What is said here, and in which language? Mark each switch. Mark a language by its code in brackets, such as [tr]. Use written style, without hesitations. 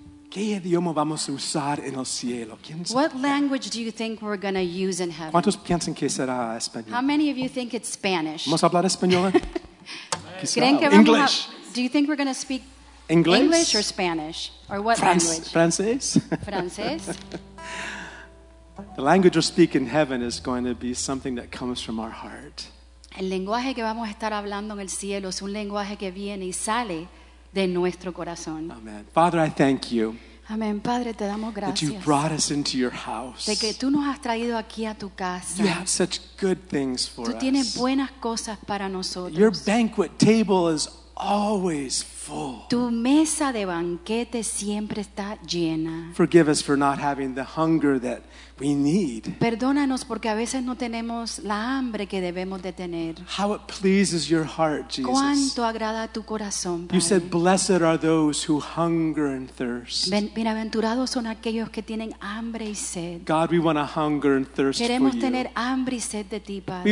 [es] ¿Qué idioma vamos a usar en el cielo? ¿Quién sabe? [en] What language do you think we're going to use in heaven? [es] ¿Cuántos piensan que será español? [en] How many of you think it's Spanish? [es] ¿Vamos a hablar español? [en] ¿English? Do you think we're going to speak English? English or Spanish? Or what language? [es] ¿Francés? ¿Francés? [en] The language we'll speak in heaven is going to be something that comes from our heart. [es] El lenguaje que vamos a estar hablando en el cielo es un lenguaje que viene y sale de nuestro corazón. [en] Amen. Father, I thank you. [es] Amen. Padre, te damos gracias. [en] That you brought us into your house. [es] De que tú nos has traído aquí a tu casa. [en] You have such good things for us. [es] Tú tienes buenas cosas para nosotros. [en] Your banquet table is always full. [es] Tu mesa de banquete siempre está llena. [en] Forgive us for not having the hunger that we need. [es] Perdónanos porque a veces no tenemos la hambre que debemos de tener. [en] How it pleases your heart, Jesus. [es] Cuánto agrada tu corazón, Padre. [en] You said, "Blessed are those who hunger and thirst." [es] Bienaventurados son aquellos que tienen hambre y sed. [en] God, we want to hunger and thirst [es] Queremos [en] for you. [es] Queremos tener hambre y sed de ti, Padre.